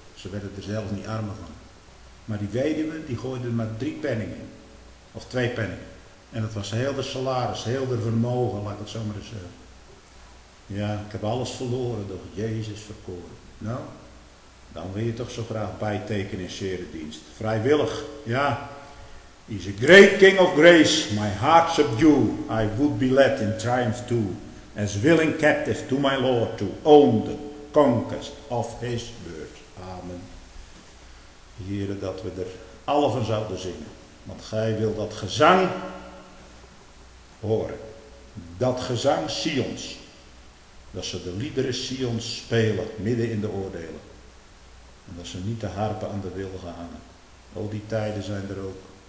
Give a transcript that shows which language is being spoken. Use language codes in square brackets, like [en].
[nl] Ze werden er zelf niet armer van. Maar die weduwe, die gooide er maar 3 penningen in. Of 2 penningen. En dat was heel de salaris, heel de vermogen, laat ik het zo maar eens zeggen. Ja, ik heb alles verloren door Jezus verkoren. Nou, dan wil je toch zo graag bijtekenen in zere dienst. Vrijwillig, ja. [en] He's a great king of grace, my heart subdue. I would be led in triumph too. As willing captive to my Lord to own the conquest of his word. [nl] Amen. Heren, dat we er alle van zouden zingen. Want gij wil dat gezang horen. Dat gezang Sions. Dat ze de liederen Sions spelen, midden in de oordelen. En dat ze niet de harpen aan de wil hangen. Al die tijden zijn er ook.